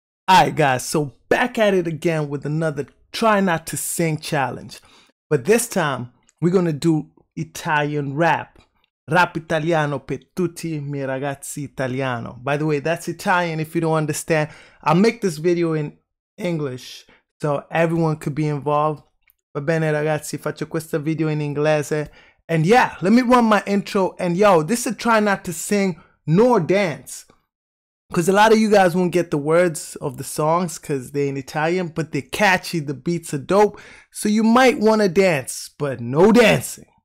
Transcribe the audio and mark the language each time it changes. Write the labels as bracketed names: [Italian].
[English] Alright guys, so back at it again with another try not to sing challenge. But this time, we're gonna do Italian rap. [Italian] Rap italiano per tutti I miei ragazzi italiano. [English] By the way, that's Italian if you don't understand. I'll make this video in English so everyone could be involved. [Italian] Va bene ragazzi, faccio questo video in inglese. [English] And yeah, let me run my intro. And yo, this is a try not to sing nor dance. Because a lot of you guys won't get the words of the songs because they're in Italian, but they're catchy, the beats are dope. So you might want to dance, but no dancing.